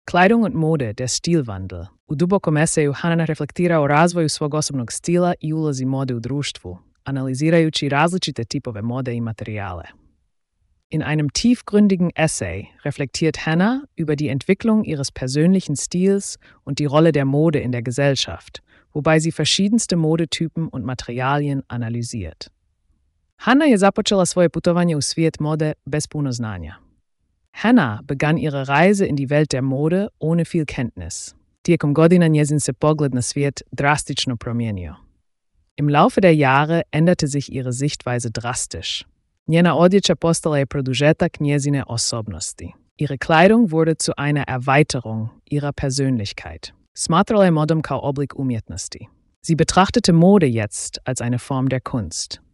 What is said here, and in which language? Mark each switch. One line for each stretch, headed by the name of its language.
German: Kleidung und Mode, der Stilwandel.
Croatian: U dubokom eseju Hanana reflektira o razvoju svog osobnog stila i ulozi mode u društvu, analizirajući različite tipove mode i materijale.
German: In einem tiefgründigen Essay reflektiert Hannah über die Entwicklung ihres persönlichen Stils und die Rolle der Mode in der Gesellschaft, wobei sie verschiedenste Modetypen und Materialien analysiert.
Croatian: Hannah je započela svoje putovanje u svijet mode bez puno znanja.
German: Hannah begann ihre Reise in die Welt der Mode ohne viel Kenntnis.
Croatian: Tijekom godina njezin se pogled na svijet drastično promijenio.
German: Im Laufe der Jahre änderte sich ihre Sichtweise drastisch.
Croatian: Njena odjeća postala je produžetak njezine osobnosti.
German: Ihre Kleidung wurde zu einer Erweiterung ihrer Persönlichkeit.
Croatian: Smatrala je modom kao oblik umjetnosti.
German: Sie betrachtete Mode jetzt als eine Form der Kunst.